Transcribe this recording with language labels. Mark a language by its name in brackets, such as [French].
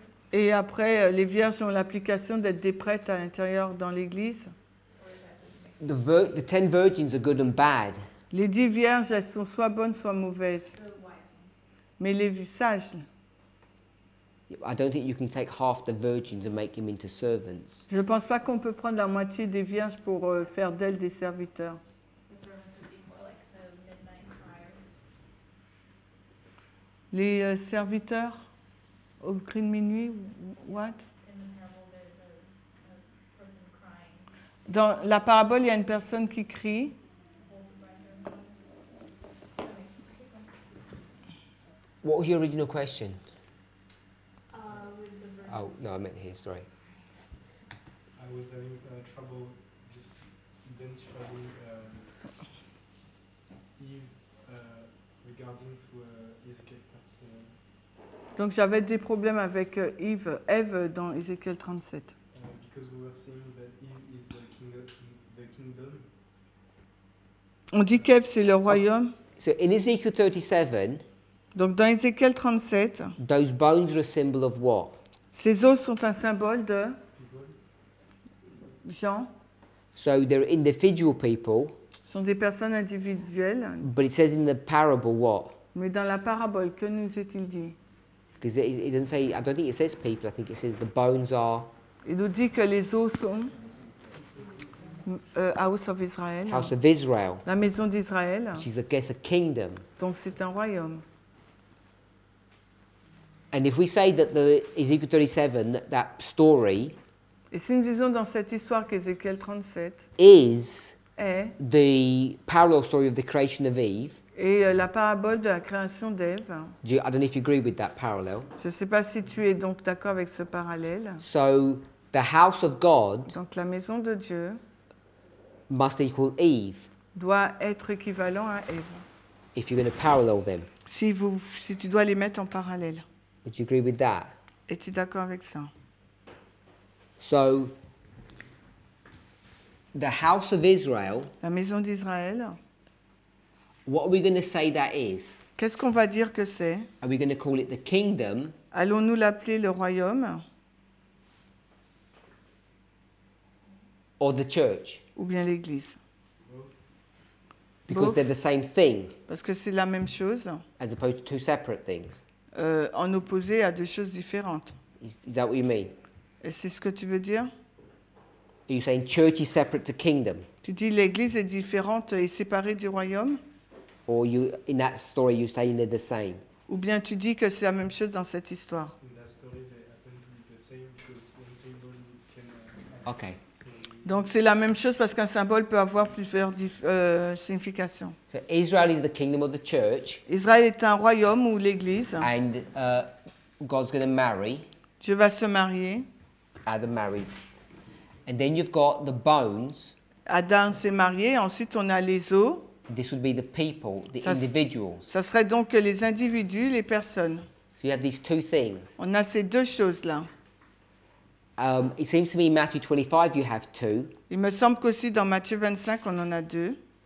[French] Et après, les vierges ont l'application d'être des prêtres à l'intérieur dans l'église? [English] The 10 virgins are good and bad. [French] Les 10 vierges, elles sont soit bonnes, soit mauvaises. Mais les sages... [English] I don't think you can take half the virgins and make them into servants. [French] Je pense pas qu'on peut prendre la moitié des vierges pour faire d'elles des serviteurs. Les serviteurs au cri de minuit, [English] what? [French] Dans la parabole, il y a une personne qui crie. [English] What was your original question? Oh, no, I meant here, sorry. I was having trouble just identifying Eve regarding to Ezekiel 37. [French] Donc j'avais des problèmes avec Eve dans Ezekiel 37. [English] Because we were saying that Eve is the kingdom. [French] On dit qu'Eve, c'est le royaume. [English] Oh, so in Ezekiel 37, [French] donc dans Ezekiel 37, [English] those bones are a symbol of what? [French] Ces os sont un symbole de gens. [English] So they're individual people. [French] Sont des personnes individuelles. [English] But it says in the parable what? [French] Mais dans la parabole, que nous est-il dit? [English] Because it doesn't say. I don't think it says people. I think it says the bones are. [French] Il nous dit que les os sont [English] House of Israel. House of Israel. [French] La maison d'Israël. [English] She's a guess a kingdom. [French] Donc c'est un royaume. [English] And if we say that the Ezekiel 37, that story, [French] et si nous disons dans cette histoire qu'Ézéchiel 37 [English] is [French] est [English] the parallel story of the creation of Eve, [French] et la parabole de la création d'Ève, [English] I don't know if you agree with that parallel. [French] Je ne sais pas si tu es donc d'accord avec ce parallèle. [English] So the house of God, [French] donc la maison de Dieu, [English] must equal Eve, [French] doit être équivalent à Ève. [English] If you're going to parallel them, [French] si tu dois les mettre en parallèle. [English] Do you agree with that? [French] Es-tu d'accord avec ça? [English] So, the house of Israel. [French] La maison d'Israël. [English] What are we going to say that is? [French] Qu'est-ce qu'on va dire que c'est? [English] Are we going to call it the kingdom? [French] Allons-nous l'appeler le royaume? [English] Or the church? [French] Ou bien l'église? [English] Because they're the same thing. [French] Parce que c'est la même chose. [English] As opposed to two separate things. [French] En opposé à deux choses différentes. [English] Is that what you mean? [French] Et c'est ce que tu veux dire? [English] Are you saying church is separate to kingdom? [French] Tu dis l'église est différente et séparée du royaume? [English] Or you, in that story, you're saying they're the same. [French] Ou bien tu dis que c'est la même chose dans cette histoire? [English] In that story, they happen to be the same because one symbol can. Okay. [French] Donc c'est la même chose parce qu'un symbole peut avoir plusieurs significations. [English] So Israel is the kingdom of the church. [French] Israël est un royaume ou l'église. [English] And God's going to marry. [French] Dieu va se marier. [English] Adam marries. And then you've got the bones. [French] Adam s'est marié, ensuite on a les os. [English] This would be the people, the individuals. [French] Ça serait donc les individus, les personnes. [English] So you have these two things. [French] On a ces deux choses là. [English] It seems to me in Matthew 25 you have two. [French] Il me semble qu'aussi dans Matthieu 25 on en a deux.